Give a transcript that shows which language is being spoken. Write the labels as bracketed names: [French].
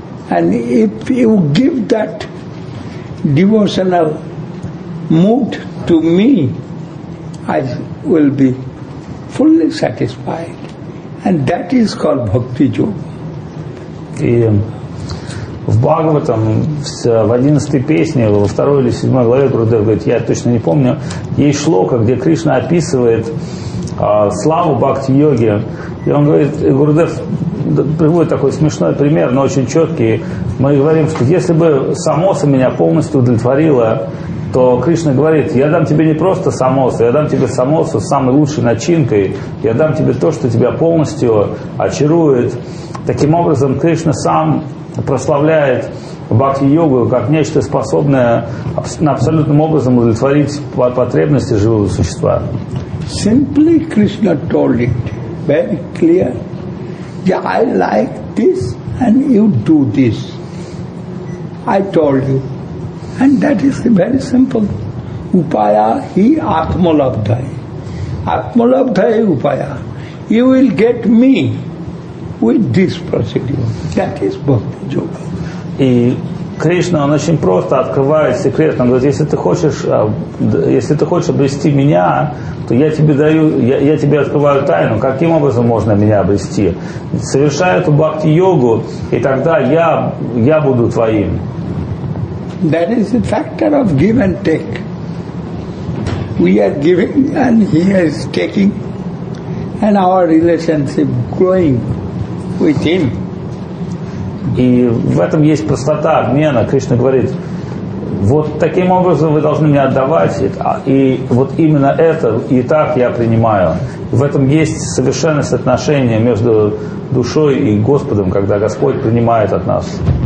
[English] And if you give that devotional mood to me, I will be fully satisfied. And that is called bhakti yoga. [Russian] И в Бхагаватам, в 11-й песне, во 2-й или 7-й главе Гурудев говорит, я точно не помню, есть шлока, где Кришна описывает славу бхакти-йоги. И он говорит, и Гурудев приводит такой смешной пример, но очень четкий. Мы говорим, что если бы самоса меня полностью удовлетворила, то Кришна говорит, я дам тебе не просто самосу, я дам тебе самосу с самой лучшей начинкой, я дам тебе то, что тебя полностью очарует. Таким образом, Кришна сам прославляет бхакти-йогу как нечто, способное абсолютным образом удовлетворить потребности живого существа. [English] Simply Krishna told it very clear. Yeah, I like this and you do this. I told you. And that is very simple. [Sanskrit] Upaya hi atmalabdhai. Atmalabdhai upaya. [English] You will get me with this procedure. That is bhakti yoga. [Russian] И Кришна, он очень просто открывает секрет. Он говорит, если ты хочешь обрести меня, то я тебе открываю тайну. Каким образом можно меня обрести? Совершай эту бхакти-йогу, и тогда я буду твоим. [English] That is the factor of give and take. We are giving and he is taking, and our relationship growing with him. [Russian] И в этом есть простота обмена. Кришна говорит, вот таким образом вы должны мне отдавать, и вот именно это и так я принимаю. В этом есть совершенность отношения между душой и Господом, когда Господь принимает от нас.